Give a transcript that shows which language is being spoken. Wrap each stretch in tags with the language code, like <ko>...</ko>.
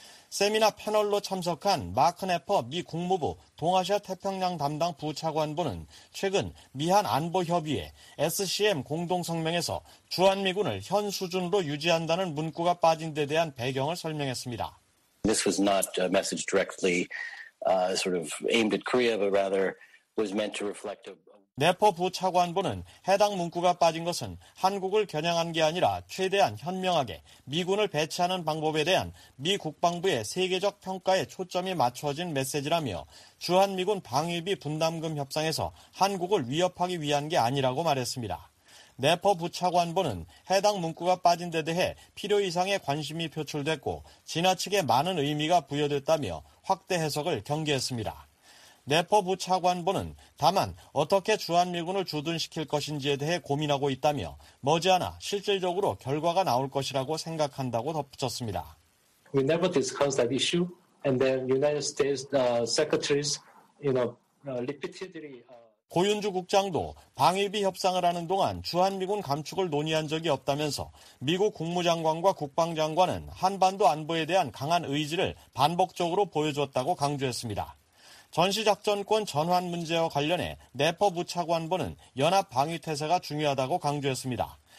<ko>세미나 패널로 참석한 마크 네퍼 미 국무부 동아시아 태평양 담당 부차관보는 최근 미한 안보협의회 SCM 공동성명에서 주한미군을 현 수준으로 유지한다는 문구가 빠진 데 대한 배경을 설명했습니다.</ko> <en>This was not a message directly sort of aimed at Korea, but rather was meant to reflect a</en> <ko>네퍼 부차관보는 해당 문구가 빠진 것은 한국을 겨냥한 게 아니라 최대한 현명하게 미군을 배치하는 방법에 대한 미 국방부의 세계적 평가에 초점이 맞춰진 메시지라며 주한미군 방위비 분담금 협상에서 한국을 위협하기 위한 게 아니라고 말했습니다. 네퍼 부차관보는 해당 문구가 빠진 데 대해 필요 이상의 관심이 표출됐고 지나치게 많은 의미가 부여됐다며 확대 해석을 경계했습니다. 네퍼 부차관보는 다만 어떻게 주한미군을 주둔시킬 것인지에 대해 고민하고 있다며 머지않아 실질적으로 결과가 나올 것이라고 생각한다고 덧붙였습니다.</ko> <en>We never discussed that issue and then United States secretaries, repeatedly.</en> <ko>고윤주 국장도 방위비 협상을 하는 동안 주한미군 감축을 논의한 적이 없다면서 미국 국무장관과 국방장관은 한반도 안보에 대한 강한 의지를 반복적으로 보여줬다고 강조했습니다. 전시작전권 전환 문제와 관련해 네퍼 부차관보는 연합 방위태세가 중요하다고 강조했습니다.</ko>